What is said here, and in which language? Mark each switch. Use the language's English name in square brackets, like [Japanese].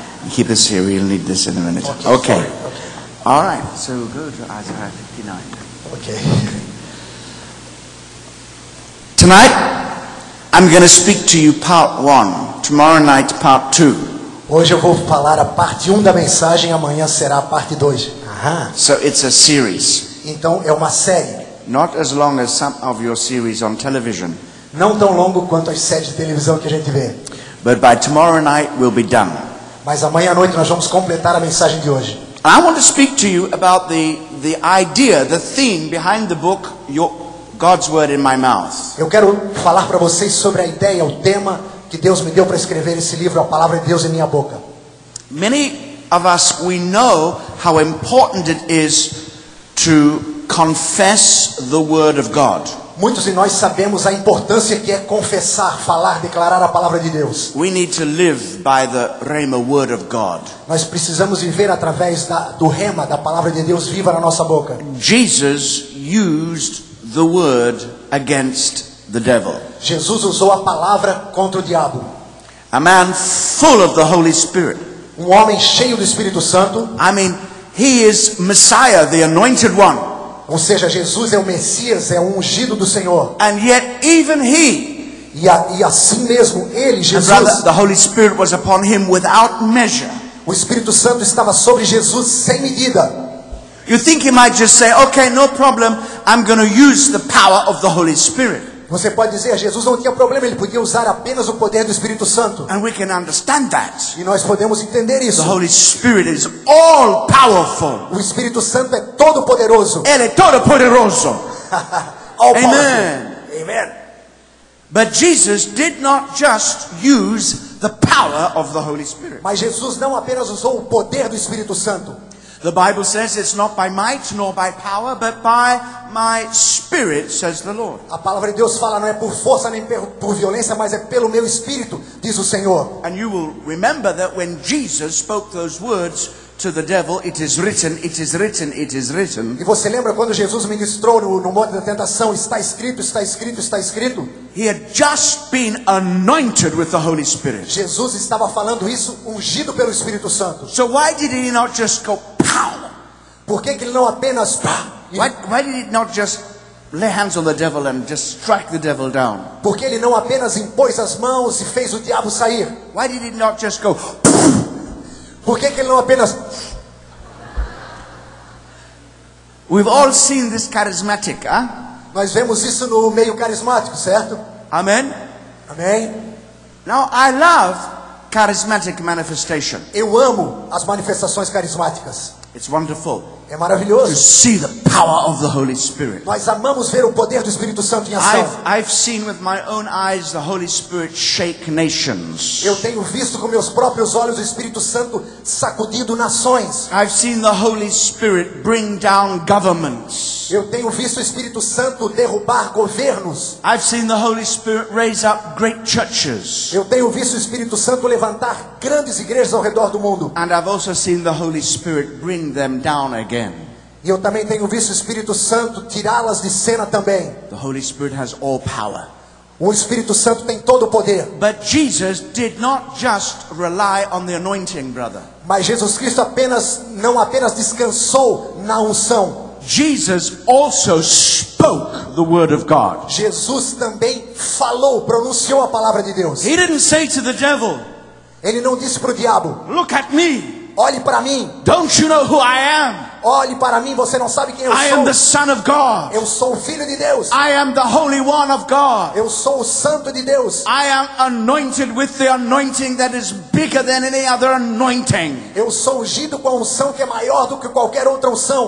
[English] Keep this here, we'll need this in a minute. Okay. Okay. All right, so we'll go to Isaiah 59. Okay. Tonight, I'm going to speak to you part one. Tomorrow night, part two. [Portuguese] Hoje eu vou falar a parte 1 da mensagem, amanhã será a parte 2. [English] So it's a series. [Portuguese] Então é uma série. [English] Not as long as some of your series on television. [Portuguese] Não tão longo quanto as séries de televisão que a gente vê. [English] But by tomorrow night we'll be done. [Portuguese] Mas amanhã à noite nós vamos completar a mensagem de hoje. [English] I want to speak to you about the idea, the theme behind the book God's Word in My Mouth. [Portuguese] Eu quero falar para vocês sobre a ideia, o tema que Deus me deu para escrever esse livro, A Palavra de Deus em Minha Boca. [English] Many of us, we know how important it is to confess the Word of God. [Portuguese] Muitos de nós sabemos a importância que é confessar, falar, declarar a Palavra de Deus. [English] We need to live by the Rhema Word of God. [Portuguese] Nós precisamos viver através do Rhema, da Palavra de Deus viva na nossa boca. [English] Jesus used the Word against the devil. [Portuguese] Jesus usou a palavra contra o diabo. [English] A man full of the Holy Spirit. [Portuguese] Um homem cheio do Espírito Santo. [English] I mean, he is Messiah, the anointed one. [Portuguese] Ou seja, Jesus é o Messias, é o ungido do Senhor. [English] And yet even he, [Portuguese] e assim mesmo ele, Jesus, [English] and brother, the Holy Spirit was upon him without measure. [Portuguese] O Espírito Santo estava sobre Jesus sem medida. [English] You think he might just say, okay, no problem, I'm going to use the power of the Holy Spirit. [Portuguese] Você pode dizer, Jesus não tinha problema, ele podia usar apenas o poder do Espírito Santo. [English] And we can understand that. [Portuguese] E nós podemos entender isso. [English] The Holy Spirit is all powerful. [Portuguese] O Espírito Santo é todo poderoso. Ele é todo poderoso. [English] Amen. Amen. But Jesus did not just use the power of the Holy Spirit. [Portuguese] Mas Jesus não apenas usou o poder do Espírito Santo. [English] The Bible says it's not by might nor by power, but by my Spirit, says the Lord. [Portuguese] A palavra de Deus fala não é por força nem por violência, mas é pelo meu Espírito, diz o Senhor. [English] And you will remember that when Jesus spoke those words to the devil, it is written, it is written, it is written. [Portuguese] E você lembra quando Jesus ministrou no monte da tentação, está escrito, está escrito, está escrito? [English] He had just been anointed with the Holy Spirit. [Portuguese] Jesus estava falando isso ungido pelo Espírito Santo. [English] So why did he not just go pow? [Portuguese] Por que ele não apenas [English] why did he not just lay hands on the devil and just strike the devil down? [Portuguese] Por que ele não apenas impôs as mãos e fez o diabo sair? [English] Why did he not just go? [Portuguese] Por que ele não apenas? [English] We've all seen this charismatic, huh? [Portuguese] Nós vemos isso no meio carismático, certo? [English] Amen. [Portuguese] Amém. [English] Now I love charismatic manifestation. [Portuguese] Eu amo as manifestações carismáticas. [English] It's wonderful. [Portuguese] É maravilhoso. [English] To see the power of the Holy Spirit. [Portuguese] Nós amamos ver o poder do Espírito Santo em ação. [English] I've seen with my own eyes the Holy Spirit shake nations. [Portuguese] Eu tenho visto com meus próprios olhos o Espírito Santo sacudindo nações. [English] I've seen the Holy Spirit bring down governments. [Portuguese] Eu tenho visto o Espírito Santo derrubar governos. [English] I've seen the Holy Spirit raise up great churches. [Portuguese] Eu tenho visto o Espírito Santo levantar grandes igrejas ao redor do mundo. [English] And I've also seen the Holy Spirit bring them down again. [Portuguese] E eu também tenho visto o Espírito Santo tirá-las de cena também. [English] The Holy Spirit has all power. [Portuguese] O Espírito Santo tem todo o poder. [English] But Jesus did not just rely on the anointing, brother. [Portuguese] Mas Jesus Cristo apenas não apenas descansou na unção. [English] Jesus also spoke the word of God. [Portuguese] Jesus também falou, pronunciou a palavra de Deus. [English] He didn't say to the devil, [Portuguese] ele não disse pro diabo, [English] look at me. [Portuguese] Olhe para mim. [English] Don't you know who I am? [Portuguese] Olhe para mim, você não sabe quem eu sou. [English] I am the Son of God. [Portuguese] Eu sou o Filho de Deus. [English] I am the Holy One of God. [Portuguese] Eu sou o Santo de Deus. [English] I am anointed with the anointing that is bigger than any other anointing. [Portuguese] Eu sou ungido com a unção que é maior do que qualquer outra unção.